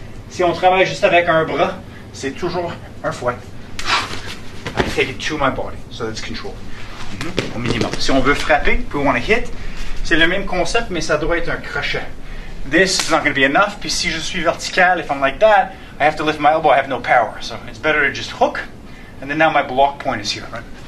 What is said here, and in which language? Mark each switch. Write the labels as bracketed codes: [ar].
[fr] Si on travaille juste avec un bras, c'est toujours un fouet. [en] I take it to my body, so that's control. [fr] Mm-hmm. Au minimum. Si on veut frapper, we want to hit. C'est le même concept, mais ça doit être un crochet. [en] This is not going to be enough. Puis si je suis vertical, if I'm like that, I have to lift my elbow, I have no power. So it's better to just hook. And then now my block point is here, right?